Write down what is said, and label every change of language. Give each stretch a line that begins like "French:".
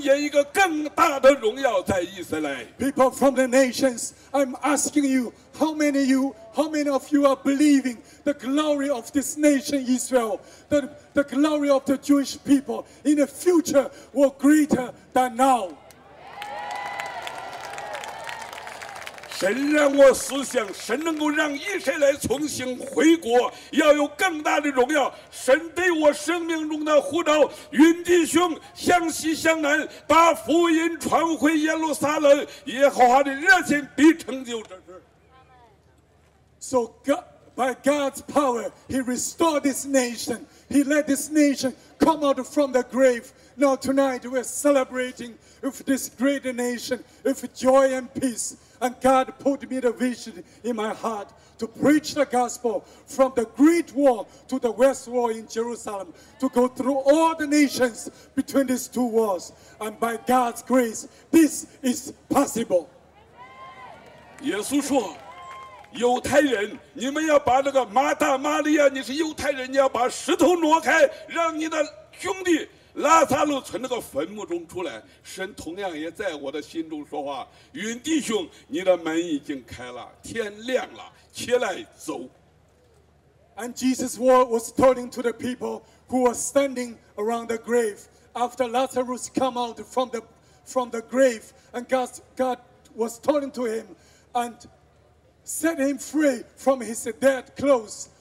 Chinese: 有多少人你坚信以色列末后的荣耀？因信必要看见一个更大的荣耀在以色列。
English: People from the nations, I'm asking you, how many of you are believing the glory of this nation Israel, the glory of the Jewish people in the future will greater than now?
Chinese: 神让我思想，神能够让以色列重新回国，要有更大的荣耀。神对我生命中的呼召，云弟兄向西向南，把福音传回耶路撒冷。耶和华的热心必成就这事。
English: So God, By God's power, He restored this nation. He let this nation come out from the grave. Now tonight, we're celebrating with this great nation with joy and peace. And God put me the vision in my heart to preach the gospel from the Great Wall to the West Wall in Jerusalem, to go through all the nations between these two walls. And by God's grace, this is possible.
Chinese: 耶稣说, 犹太人, 你们要把那个马大马利亚, 你是犹太人, 你要把石头挪开, 让你的兄弟 拉撒路从那个坟墓中出来， 神同样也在我的心中说话， 云弟兄， 你的门已经开了， 天亮了， 起来走。
English: And Jesus was turning to the people who were standing around the grave after Lazarus come out from the grave, and God was turning to him and set him free from his dead clothes.